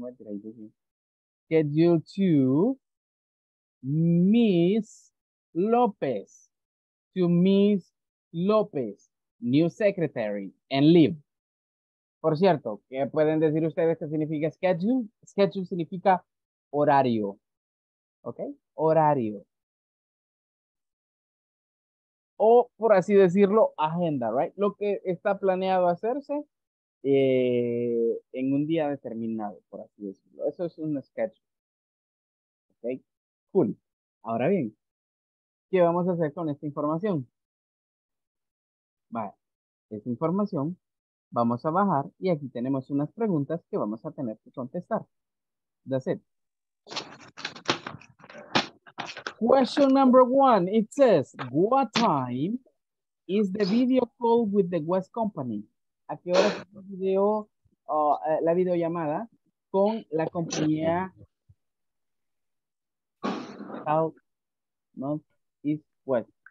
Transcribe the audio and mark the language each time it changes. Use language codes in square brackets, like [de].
[en] What did I do here? Schedule to Miss López to Miss López, new secretary, and leave. [es] Por cierto, ¿qué pueden decir ustedes que significa schedule? Schedule significa horario. ¿Ok? Horario. O, por así decirlo, agenda, right? Lo que está planeado hacerse en un día determinado, por así decirlo. Eso es un schedule. ¿Ok? Cool. Ahora bien, ¿qué vamos a hacer con esta información? Vale. Esta información vamos a bajar y aquí tenemos unas preguntas que vamos a tener que contestar. [en] That's it. Question number one, it says, what time is the video call with the West Company? [es] ¿A qué hora es el video, la videollamada con la compañía South, North, East, West?